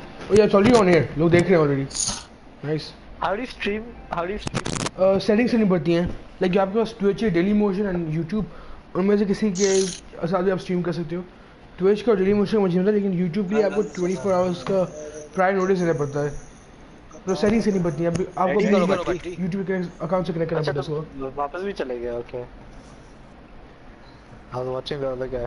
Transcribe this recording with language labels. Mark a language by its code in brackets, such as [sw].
[en] Oh yeah, it's already on here. Look, they're here already. Nice. How do you stream? Settings are not there. Like you have to Twitch, Daily Motion, and YouTube. And maybe you can see that you can stream. [hi] Twitch का daily motion मुझे मिला लेकिन YouTube के लिए आपको 24 hours का prior notice देना पड़ता है. तो settings से नहीं बदली है. अभी आपको भी नहीं YouTube के account से connect करना पड़ता है. वापस भी चले गए. [en] Okay. I was watching the other guy.